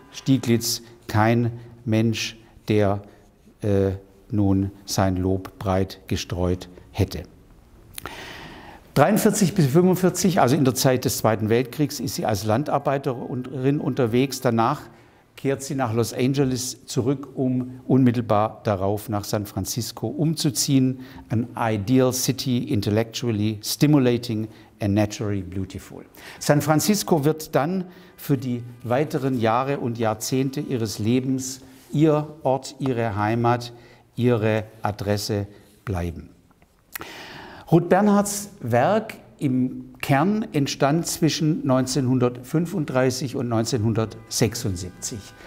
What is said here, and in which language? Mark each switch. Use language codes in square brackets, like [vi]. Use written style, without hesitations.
[de] Stieglitz, kein Mensch, der nun sein Lob breit gestreut hätte. 43 bis 45, also in der Zeit des Zweiten Weltkriegs, ist sie als Landarbeiterin unterwegs. Danach kehrt sie nach Los Angeles zurück, um unmittelbar darauf nach San Francisco umzuziehen. [en] An ideal city, intellectually stimulating and naturally beautiful. [de] San Francisco wird dann für die weiteren Jahre und Jahrzehnte ihres Lebens ihr Ort, ihre Heimat, ihre Adresse bleiben. Ruth Bernhardts Werk im Kern entstand zwischen 1935 und 1976.